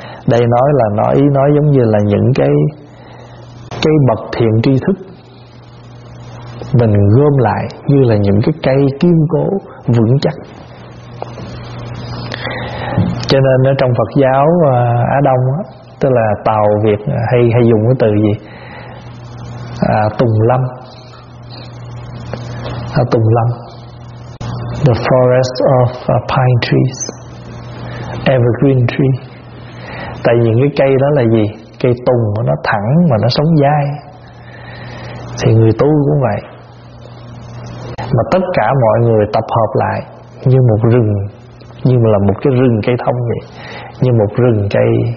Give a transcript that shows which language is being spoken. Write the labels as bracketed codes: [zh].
[vi] Đây nói là nói, ý nói giống như là những cái bậc thiện tri thức mình gom lại như là những cái cây kiên cố vững chắc. Cho nên ở trong Phật giáo Á Đông, tức là Tàu Việt, hay dùng cái từ gì? Tùng Lâm. [en] Tùng Lâm, the forest of pine trees, evergreen tree. [vi] Tại vì cái cây đó là gì? Cây tùng mà nó thẳng mà nó sống dai. Thì người tu cũng vậy, mà tất cả mọi người tập hợp lại như một rừng, như là một cái rừng cây thông vậy, như một rừng cây